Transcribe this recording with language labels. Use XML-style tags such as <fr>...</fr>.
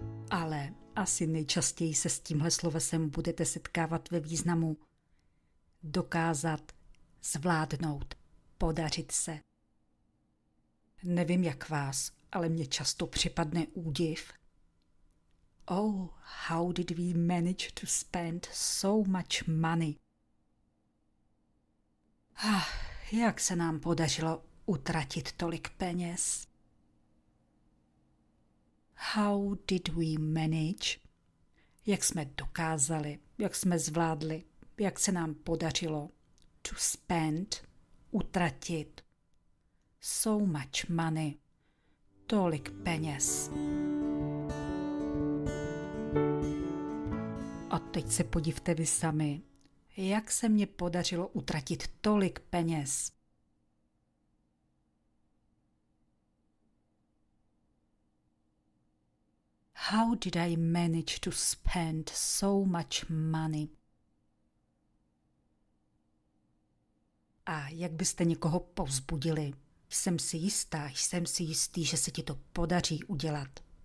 <cs>Ale asi nejčastěji se s tímhle slovesem budete setkávat ve významu dokázat, zvládnout, podařit se. Nevím jak vás, ale mě často připadne údiv.</cs> <en>Oh, how did we manage to spend so much money?</en> <cs>Ah, jak se nám podařilo utratit tolik peněz?</cs> <en>How did we manage?</en> <cs>Jak jsme dokázali, jak jsme zvládli, jak se nám podařilo</cs> <en>to spend,</en> <cs>utratit</cs> <en>so much money,</en> <cs>tolik peněz. A teď se podívejte vy sami, jak se mě podařilo utratit tolik peněz.</cs> <en>How did I manage to spend so much money?</en> <cs>A jak byste někoho povzbudili? Jsem si jistý, že se ti to podaří udělat.</cs>